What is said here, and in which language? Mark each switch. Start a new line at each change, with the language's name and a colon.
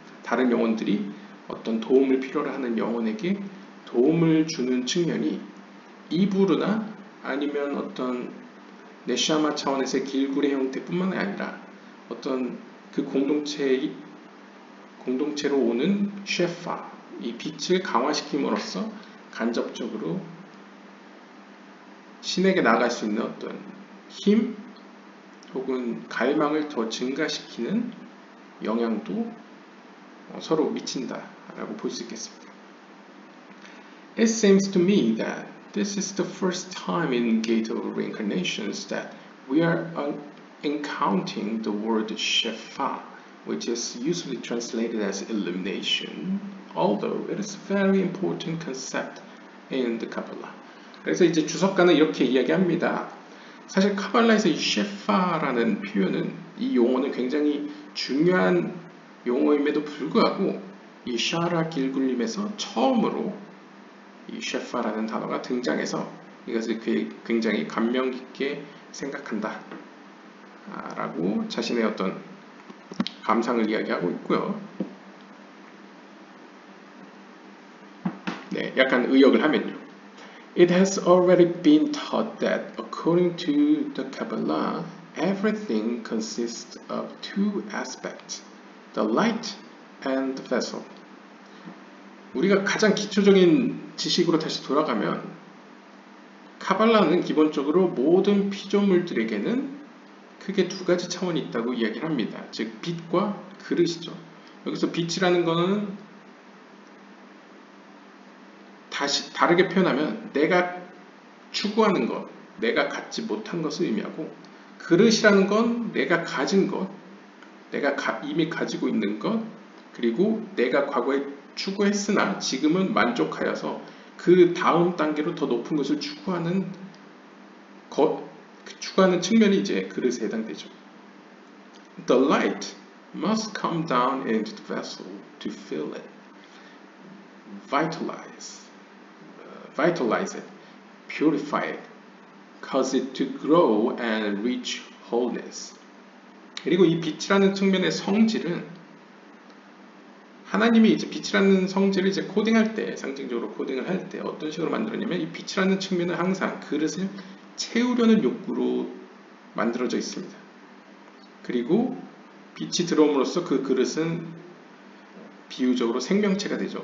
Korean: 다른 영혼들이 어떤 도움을 필요로 하는 영혼에게 도움을 주는 측면이 이불이나 아니면 어떤 네시아마 차원에서의 길굴의 형태뿐만 아니라 어떤 그 공동체로 오는 쉐파, 이 빛을 강화시킴으로써 간접적으로 신에게 나갈 수 있는 어떤 힘 혹은 갈망을 더 증가시키는 영향도 서로 미친다라고 볼 수 있겠습니다.
English: It seems to me that this is the first time in Gate of Reincarnations that we are encountering the word Shefa, which is usually translated as illumination, although it is a very important concept in the Kabbalah.
Korean: 그래서 이제 주석가는 이렇게 이야기합니다. 사실 카발라에서 이 셰파라는 표현은 이 용어는 굉장히 중요한 용어임에도 불구하고 이 샤라 길굴림에서 처음으로 이 셰파라는 단어가 등장해서 이것을 굉장히 감명 깊게 생각한다 라고 자신의 어떤 감상을 이야기하고 있고요. 네, 약간 의역을 하면요.
English: It has already been taught that according to the Kabbalah, everything consists of two aspects, the light and the vessel.
Korean: 우리가 가장 기초적인 지식으로 다시 돌아가면 카발라는 기본적으로 모든 피조물들에게는 크게 두 가지 차원이 있다고 이야기합니다. 즉 빛과 그릇이죠. 여기서 빛이라는 것은 다르게 표현하면 내가 추구하는 것, 내가 갖지 못한 것을 의미하고 그릇이라는 건 내가 가진 것, 내가 이미 가지고 있는 것, 그리고 내가 과거에 추구했으나 지금은 만족하여서 그 다음 단계로 더 높은 것을 추구하는 것, 추구하는 측면이 이제 그릇에 해당되죠.
English: The light must come down into the vessel to fill it, vitalize it, purify it, cause it to grow and reach wholeness.
Korean: 그리고 이 빛이라는 측면의 성질은 하나님이 이제 빛이라는 성질을 이제 코딩할 때, 상징적으로 코딩을 할 때 어떤 식으로 만들었냐면 이 빛이라는 측면은 항상 그릇을 채우려는 욕구로 만들어져 있습니다. 그리고 빛이 들어옴으로써 그 그릇은 비유적으로 생명체가 되죠.